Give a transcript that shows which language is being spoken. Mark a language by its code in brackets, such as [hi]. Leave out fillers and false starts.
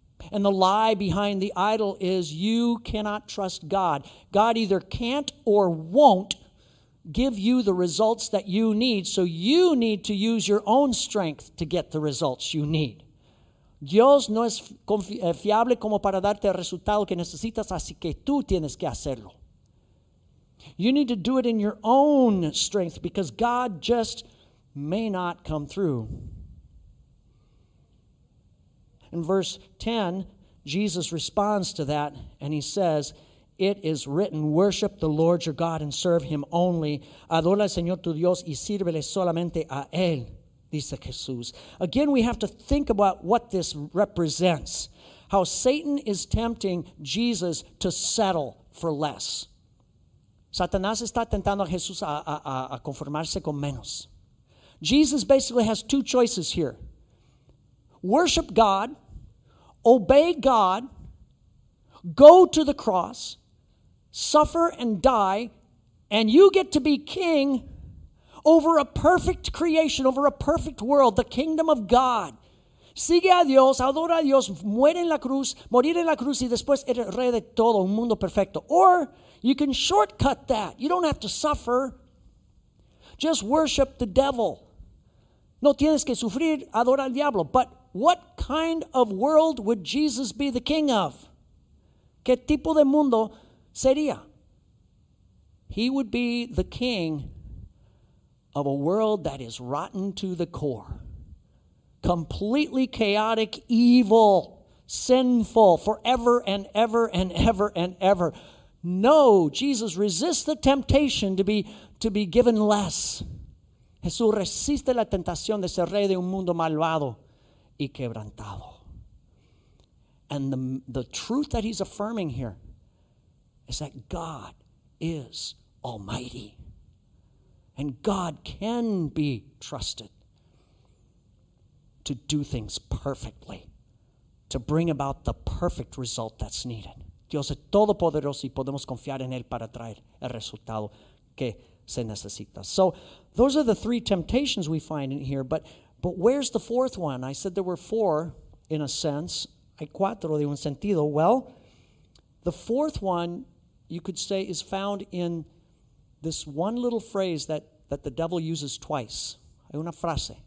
[en] And the lie behind the idol is you cannot trust God. God either can't or won't give you the results that you need, so you need to use your own strength to get the results you need. [es] Dios no es fiable como para darte el resultado que necesitas, así que tú tienes que hacerlo. [en] You need to do it in your own strength because God just may not come through. In verse 10, Jesus responds to that and he says, it is written, worship the Lord your God and serve him only. [es] Adora al Señor tu Dios y sírvele solamente a él, dice Jesús. [en] Again, we have to think about what this represents. How Satan is tempting Jesus to settle for less. [es] Satanás está tentando a Jesús a conformarse con menos. [en] Jesus basically has two choices here. Worship God. Obey God, go to the cross, suffer and die, and you get to be king over a perfect creation, over a perfect world, the kingdom of God. [es] Sigue a Dios, adora a Dios, muere en la cruz, morir en la cruz, y después eres rey de todo, un mundo perfecto. [en] Or you can shortcut that. You don't have to suffer. Just worship the devil. [es] No tienes que sufrir, adora al diablo, [en] but what kind of world would Jesus be the king of? [es] ¿Qué tipo de mundo sería? [en] He would be the king of a world that is rotten to the core. Completely chaotic, evil, sinful, forever and ever and ever and ever. No, Jesus resists the temptation to be given less. [es] Jesús resiste la tentación de ser rey de un mundo malvado. Y quebrantado. [en] And the truth that he's affirming here is that God is almighty. And God can be trusted to do things perfectly, to bring about the perfect result that's needed. [es] Dios es todopoderoso y podemos confiar en él para traer el resultado que se necesita. [en] So those are the three temptations we find in here, but where's the fourth one? I said there were four, in a sense. [es] Hay cuatro de un sentido. [en] Well, the fourth one, you could say, is found in this one little phrase that the devil uses twice. [es] Hay una frase.